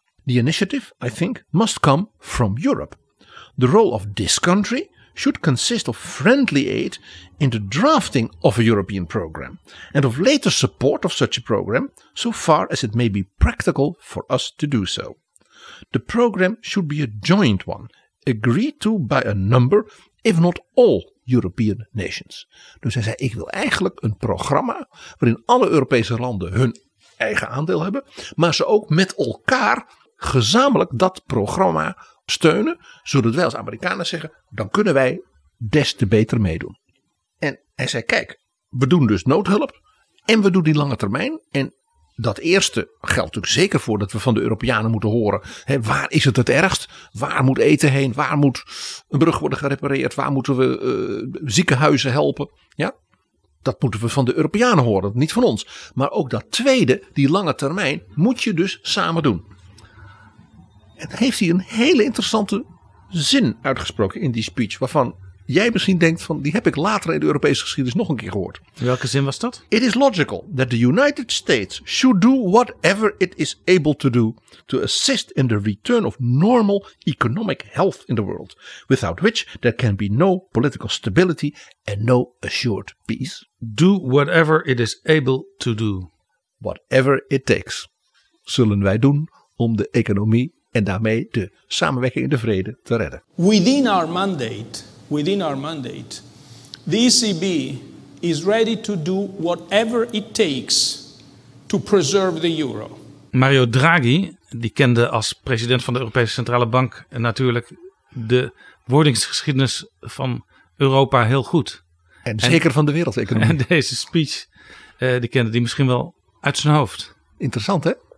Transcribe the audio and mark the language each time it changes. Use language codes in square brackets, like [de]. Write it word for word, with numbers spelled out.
[en] The initiative, I think, must come from Europe. The role of this country should consist of friendly aid in the drafting of a European program and of later support of such a program so far as it may be practical for us to do so. The program should be a joint one, agreed to by a number, if not all, European nations. [nl] Dus hij zei, ik wil eigenlijk een programma waarin alle Europese landen hun eigen aandeel hebben, maar ze ook met elkaar gezamenlijk dat programma steunen, zodat wij als Amerikanen zeggen, dan kunnen wij des te beter meedoen. En hij zei, kijk, we doen dus noodhulp en we doen die lange termijn en dat eerste geldt natuurlijk zeker voor dat we van de Europeanen moeten horen. Hè, waar is het het ergst? Waar moet eten heen? Waar moet een brug worden gerepareerd? Waar moeten we uh, ziekenhuizen helpen? Ja, dat moeten we van de Europeanen horen, niet van ons. Maar ook dat tweede, die lange termijn, moet je dus samen doen. En heeft hij een hele interessante zin uitgesproken in die speech, waarvan jij misschien denkt van die heb ik later in de Europese geschiedenis nog een keer gehoord. Welke zin was dat? [en] It is logical that the United States should do whatever it is able to do to assist in the return of normal economic health in the world, without which there can be no political stability and no assured peace. Do whatever it is able to do. Whatever it takes, [nl] zullen wij doen om de economie en daarmee de samenwerking in de vrede te redden. [en] Within our mandate, within our mandate, the E C B is ready to do whatever it takes to preserve the euro. [nl] Mario Draghi, die kende als president van de Europese Centrale Bank natuurlijk de wordingsgeschiedenis van Europa heel goed. En zeker en, van de wereldeconomie. En deze speech, uh, die kende die misschien wel uit zijn hoofd. Interessant, hè?